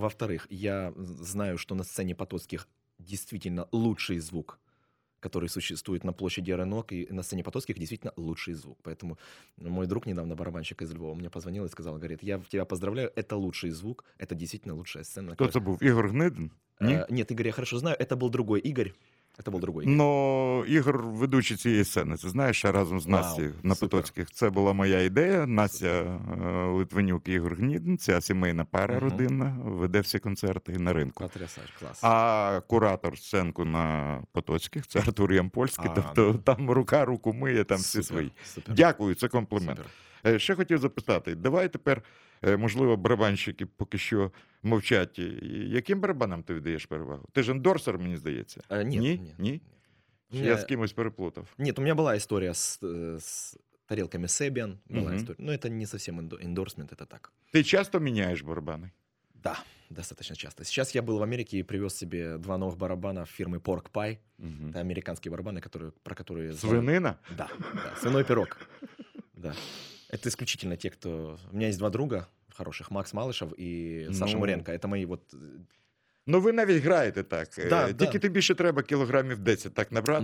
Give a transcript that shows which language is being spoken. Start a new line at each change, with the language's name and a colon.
Russian: Во-вторых, я знаю, что на сцене Потоцьких действительно лучший звук, который существует на площади РНОК, и на сцене Потоцьких действительно лучший звук. Поэтому мой друг недавно, барабанщик из Львова, мне позвонил и сказал, говорит, я тебя поздравляю, это лучший звук, это действительно лучшая сцена. Кто это был, Игорь Гнедин? Нет, Игорь, я хорошо знаю, это был другой Игорь.
Ukrainian: Це був другий. Ну, Ігор, ведучий цієї сцени, ти знаєш, я разом з Настею на Потоцьких. Це була моя ідея. Настя Литвинюк, Ігор Гнідин, ця сімейна пара, родина, веде всі концерти на ринку. Потрясаєш, клас. А куратор сценку на Потоцьких – це Артур Ямпольський. Тобто там рука руку миє, там всі свої. Дякую, це комплімент. Ще хотів запитати. Давай тепер, можливо, барабанщики поки що мовчать. Яким барабанам ти віддаєш перевагу? Ти ж ендорсер, мені здається. Ні? Я з кимось переплутав. Ні, у мене була історія з тарілками Себіан. Ну, це не зовсім ендорсмент, це так. Ти часто міняєш барабани?
Russian: Да, достаточно часто. Сейчас я был в Америке и привез себе два новых барабана фирмы Pork Pie. Это американские барабаны, которые... Свинина? Да, свиной пирог. Да. Это исключительно те, кто... У меня есть два друга хороших, Макс Малышев и Саша Муренко. Это мои вот...
Ukrainian: Ну, ви навіть граєте так.
Russian: Да,
Ukrainian: тільки тобі ще треба кілограмів 10 так набрати,